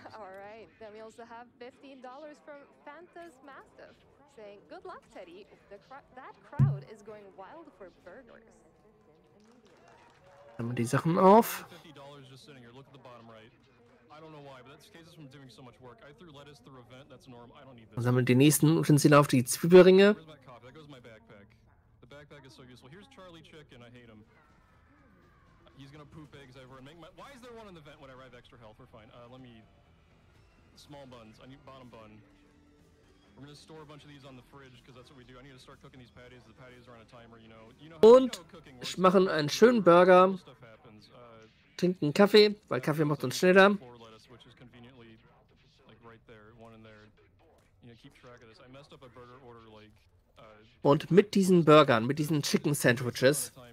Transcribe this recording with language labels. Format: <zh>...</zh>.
<en>All right. Then we also have $15 from Fanta's Mastiff saying, good luck, Teddy. That crowd is going wild for burgers.</en> <de>Haben wir die Sachen auf?</de> <en>$50 just sitting here. Look at the bottom right. I don't know why, but that's cases from doing so much work. I threw lettuce through a vent. That's normal. I don't need this.</en> <de>Dann haben wir die nächsten Utensilien auf, die Zwiebelringe.</de> <en>That goes my backpack. The backpack is so useful. Here's Charlie Chicken. I hate him. He's gonna poop eggs over and make my. Why is there one in the vent when I arrive extra health? We're fine. Let me. Small buns. I need bottom bun. We're gonna store a bunch of these on the fridge because that's what we do. I need to start cooking these patties. The patties are on a timer, you know.</en> <de>Und ich mache einen schönen Burger. Trinken Kaffee, weil Kaffee macht uns schneller.</de> <en>Four lettuce, which is conveniently like right there, one in there. You know, keep track of this. I messed up a burger order like.</en> <de>Und mit diesen Burgern, mit diesen Chicken Sandwiches.</de>